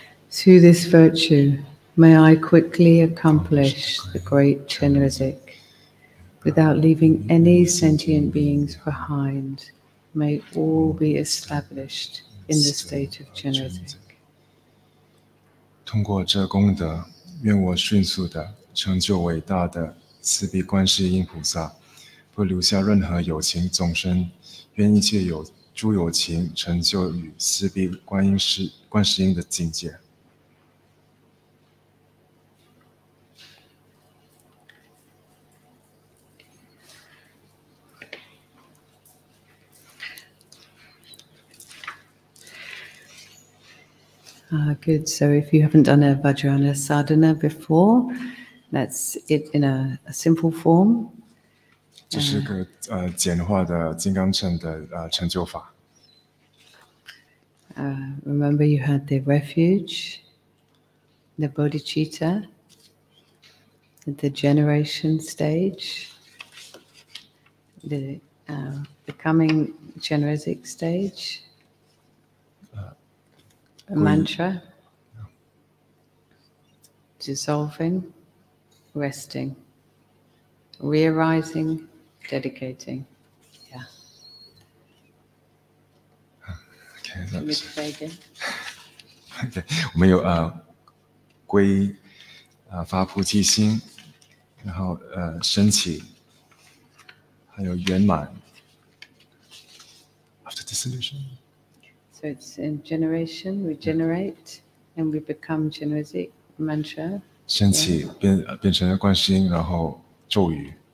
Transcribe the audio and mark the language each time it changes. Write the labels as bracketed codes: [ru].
[en] Through this virtue, may I quickly accomplish the great Chinrezig without leaving any sentient beings behind. May all be established in the state of Chinrezig. [zh] 通过这功德，愿我迅速的成就伟大的慈悲观世音菩萨，不留下任何有情众生，愿一切有诸有情成就与慈悲观世音的境界。 [en] Good. So if you haven't done a Vajrayana sadhana before, that's it in a simple form. [zh] 这是个简化的金刚乘的成就法。 [en] Remember you had the refuge, the bodhicitta, the generation stage, the becoming Chinrezig stage, a mantra, dissolving. Resting, re-arising, dedicating. Yeah. Okay, that's. Okay, we have [zh] 皈发菩提心，然后升起，还有圆满。 [en] After dissolution. So it's in generation, regenerate, and we become Chinrezig mantra. [zh] 升起 变成了观世音，然后咒语。